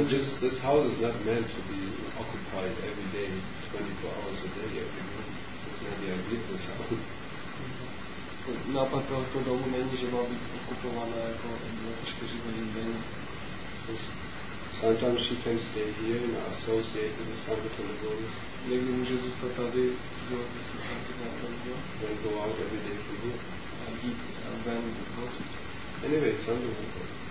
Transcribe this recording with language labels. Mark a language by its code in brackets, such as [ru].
[en] Well, this house is not meant to be occupied every day, 24 hours a day. It's not the idea of this house. [cs] Nápad tohoto domu není, že má být okupovaná jako 24 hodin denně. [en] Sometimes she can stay here and associate with the Sankirtan devotees. [cs] Někdy může zůstat tady, dělat to se Sankirtan devotees. [en] Then go out every day from here. And eat and then go to it. Anyway, it's something like that.